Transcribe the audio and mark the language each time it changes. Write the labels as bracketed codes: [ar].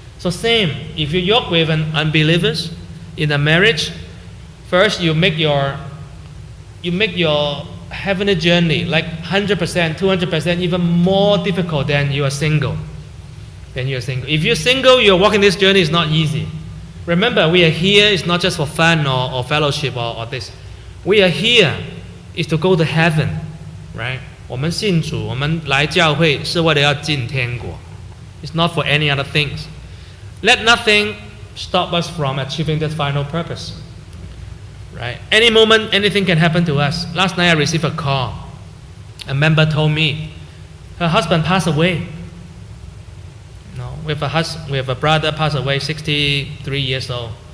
[en] So same, if you yoke with an unbeliever in a marriage, first you make your heavenly journey like 100%, 200%, even more difficult than you are single. If you're single, you're walking this journey, it's not easy. Remember, we are here, it's not just for fun or fellowship or this. We are here is to go to heaven, right? [zh] 我们信主，我们来教会是为了要进天国。 [en] It's not for any other things. Let nothing stop us from achieving this final purpose, right? Any moment, anything can happen to us. Last night, I received a call. A member told me her husband passed away. We have a brother passed away, 63 years old.